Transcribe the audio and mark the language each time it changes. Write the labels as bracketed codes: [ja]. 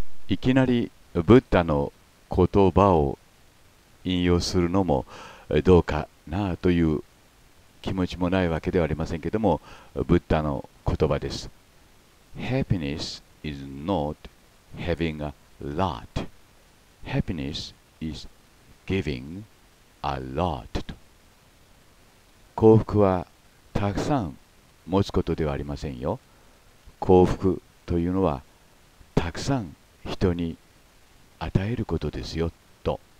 [ja] いきなりブッダの言葉を引用するのもどうかなという気持ちもないわけではありませんけれども、ブッダの言葉です。 [en] Happiness is notHaving a lot. Happiness is giving a lot. [ja] 幸福はたくさん持つことではありませんよ。幸福というのはたくさん人に与えることですよ、と。